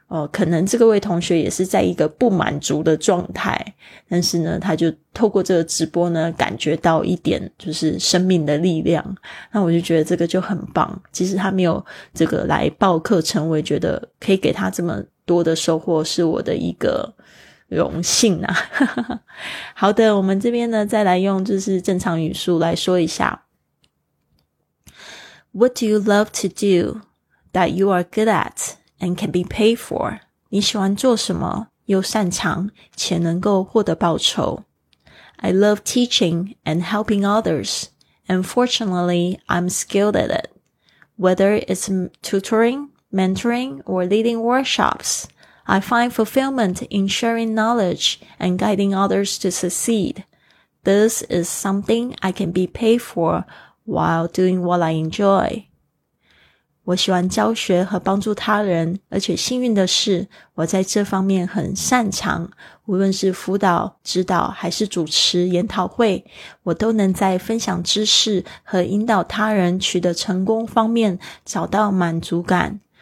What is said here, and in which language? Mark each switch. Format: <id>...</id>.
<zh>可能这个位同学也是在一个不满足的状态，但是呢他就透过这个直播呢感觉到一点就是生命的力量，那我就觉得这个就很棒。即使他没有这个来报课程，我也觉得可以给他这么多的收获是我的一个荣幸啊。好的，我们这边呢再来用就是正常语速来说一下。</zh> <en>What do you love to do that you are good at? And can be paid for.</en> <zh>你喜欢做什么又擅长且能够获得报酬。</zh> <en>I love teaching and helping others. And fortunately, I'm skilled at it. Whether it's tutoring, mentoring, or leading workshops, I find fulfillment in sharing knowledge and guiding others to succeed. This is something I can be paid for while doing what I enjoy.</en> <zh>我喜欢教学和帮助他人，而且幸运的是我在这方面很擅长，无论是辅导、指导还是主持研讨会，我都能在分享知识和引导他人取得成功方面找到满足感。</zh>